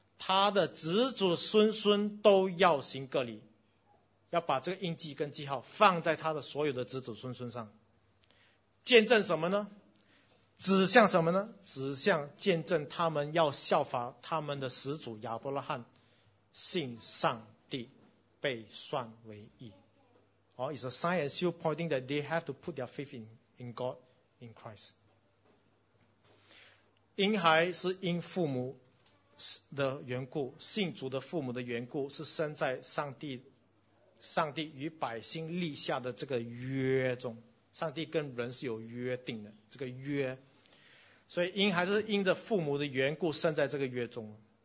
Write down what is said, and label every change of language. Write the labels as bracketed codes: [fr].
[zh] 他的子子孙孙都要行割礼，要把这个印记跟记号放在他的所有的子子孙孙上。见证什么呢？指向什么呢？指向见证他们要效法他们的始祖亚伯拉罕，信上帝被算为义。 [en] Or it's a sign and seal pointing that they have to put their faith in God, in Christ. [zh] 婴孩是因父母的缘故，信主的父母的缘故，是生在上帝与百姓立下的这个约中。上帝跟人是有约定的，这个约。所以婴孩是因着父母的缘故生在这个约中。